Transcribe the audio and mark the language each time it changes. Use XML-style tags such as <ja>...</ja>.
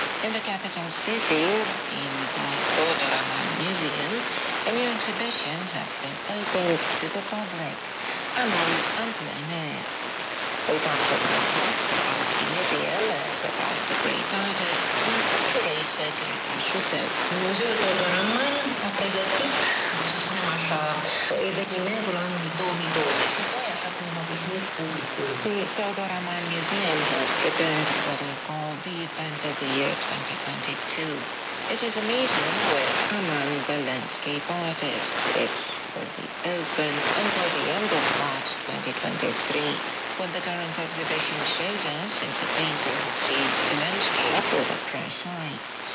<en>In the capital city, in the Teodoramani Museum, a new exhibition has been opened to the public. Among open air. We talked about the museum and about the great artist and the curator Greta Shutev.</en> <ro>Muzeul Teodoramani a pregătit, să spunem așa, evenimentul anului 2022.</ro> <en>The Teodoramani Museum has prepared what they call the event of the year 2022. It is amazing with Amal, the landscape artist. It will be open until the end of March 2023. What the current exhibition shows us is a painting that sees the landscape with a fresh eye.</en>